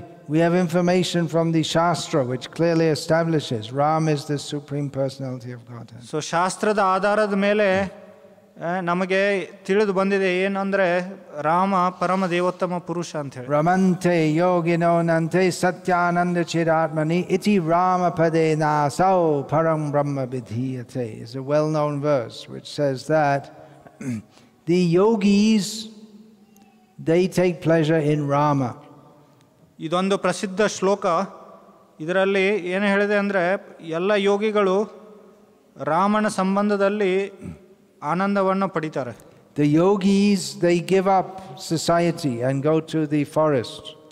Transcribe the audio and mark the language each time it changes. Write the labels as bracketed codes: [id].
[en] We have information from the Shastra which clearly establishes Ram is the supreme personality of Godhead. [kn] So ಶಾಸ್ತ್ರದ ಆಧಾರದ ಮೇಲೆ ನಮಗೆ ತಿಳಿದು ಬಂದಿದೆ ಏನಂದ್ರೆ ರಾಮ ಪರಮ ದೇವೋತ್ತಮ ಪುರುಷ ಅಂತ ಹೇಳಿ. [sa] ರಮಂತೆ ಯೋಗಿನೋ ನಂತೆ ಸತ್ಯಾನಂದ ಚಿರಾತ್ಮನಿ ಇತಿ ರಾಮ ಪದೇ ನಾಸೌ ಪರಂ ಬ್ರಹ್ಮ ವಿಧೀಯತೆ. [en] Is a well known verse which says that the yogis they take pleasure in Rama. [kn] ಇದೊಂದು ಪ್ರಸಿದ್ಧ ಶ್ಲೋಕ. ಇದರಲ್ಲಿ ಏನು ಹೇಳಿದೆ ಅಂದರೆ ಎಲ್ಲ ಯೋಗಿಗಳು ರಾಮನ ಸಂಬಂಧದಲ್ಲಿ ಆನಂದವನ್ನು ಪಡಿತಾರೆ. [en] The yogis, they give up society and go to the forest.